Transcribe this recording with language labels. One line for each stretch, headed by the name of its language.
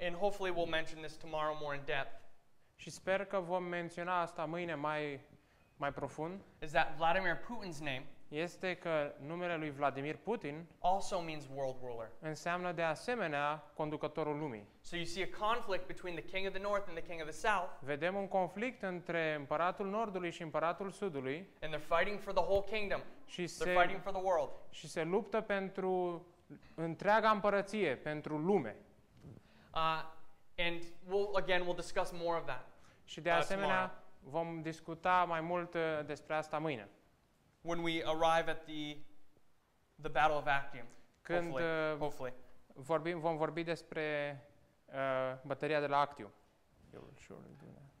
English: And hopefully we'll mention this tomorrow more in depth.
Romanian: Și sper că vom menționa asta mâine mai profund.
English: Is that Vladimir Putin's name?
Romanian: Este că numele lui Vladimir Putin
English: also means world ruler.
Romanian: Înseamnă de asemenea conducătorul lumii.
English: So you see a conflict between the king of the north and the king of the south.
Romanian: Vedem un conflict între împăratul nordului și împăratul sudului.
English: And they're fighting for the whole kingdom. They're fighting for the world.
Romanian: Și se luptă pentru întreaga împărăție, pentru lume.
English: And we'll discuss more of that.
Romanian: Și de asemenea vom discuta mai mult despre asta mâine.
English: When we arrive at the Battle of Actium, hopefully.
Romanian: Vom vorbi despre bătălia de la Actium.
English: You will surely do that.